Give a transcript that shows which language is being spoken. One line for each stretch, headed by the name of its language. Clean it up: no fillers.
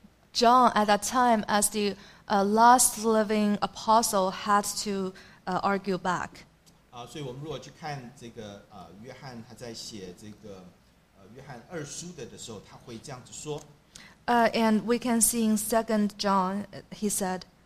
English: John at that time as the last living apostle had to argue back.
Chinese: 所以我们如果去看这个约翰他在写这个约翰二书的时候，他会这样子说。
English: And we can see in Second John, he said.